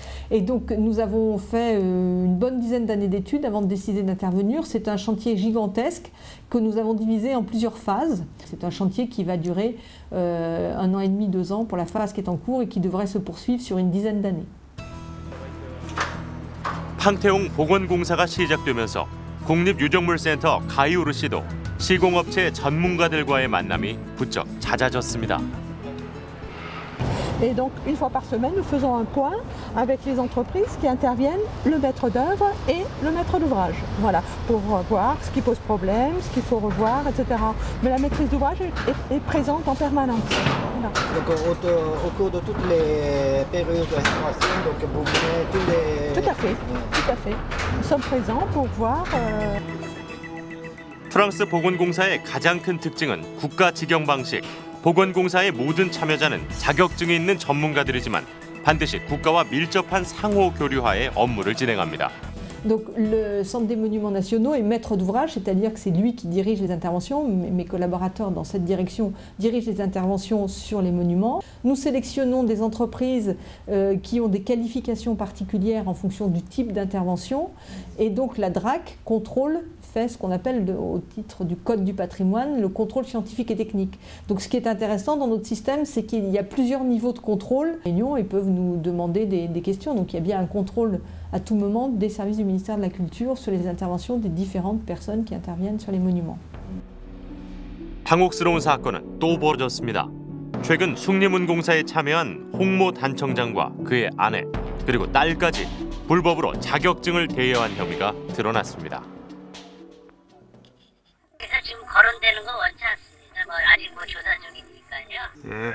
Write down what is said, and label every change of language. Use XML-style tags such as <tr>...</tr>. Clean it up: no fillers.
<fr>Et donc nous avons fait une bonne dizaine d'années d'études avant de décider d'intervenir. C'est un chantier gigantesque que nous avons divisé en plusieurs phases. C'est un chantier qui va durer un an et demi, deux ans pour la phase qui est en cours et qui devrait se poursuivre sur une dizaine d'années.</fr> <ko>판테옹 복원 공사가 시작되면서 국립유적물센터 가이오르 씨도 시공업체 전문가들과의 만남이 부쩍 잦아졌습니다.</ko> <fr>Et donc une fois par semaine, nous faisons un point avec les entreprises qui interviennent, le maître d'œuvre et le maître d'ouvrage. Voilà, pour voir ce qui pose problème, ce qu'il faut revoir, etc. Mais la maîtrise d'ouvrage est présente en permanence. Voilà. Donc au cours de toutes les périodes de restauration, donc vous venez tous les... Tout à fait, tout à fait. Nous sommes présents pour voir...</fr> <ko>프랑스 복원공사의 가장 큰 특징은 국가 직영 방식. 보건공사의 모든 참여자는 자격증이 있는 전문가들이지만 반드시 국가와 밀접한 상호 교류하에 업무를 진행합니다.</ko> <fr>Donc le Centre des Monuments Nationaux est maître d'ouvrage, c'est-à-dire que c'est lui qui dirige les interventions. Mes collaborateurs dans cette direction dirigent les interventions sur les monuments. Nous sélectionnons des entreprises qui ont des qualifications particulières en fonction du type d'intervention. Et donc la DRAC contrôle, fait ce qu'on appelle au titre du Code du patrimoine, le contrôle scientifique et technique. Donc ce qui est intéressant dans notre système, c'est qu'il y a plusieurs niveaux de contrôle. Ils peuvent nous demander des questions, donc il y a bien un contrôle à tout moment des services du ministère de la Culture sur les interventions des différentes personnes qui interviennent sur les monuments.</fr> <ko>당혹스러운 사건은 또 벌어졌습니다. 최근 숭례문공사에 참여한 홍모 단청장과 그의 아내 그리고 딸까지 불법으로 자격증을 대여한 혐의가 드러났습니다. 그래서 지금 거론되는 건 원치 않습니다. 뭐 아직 뭐 조사 중이니까요.</ko>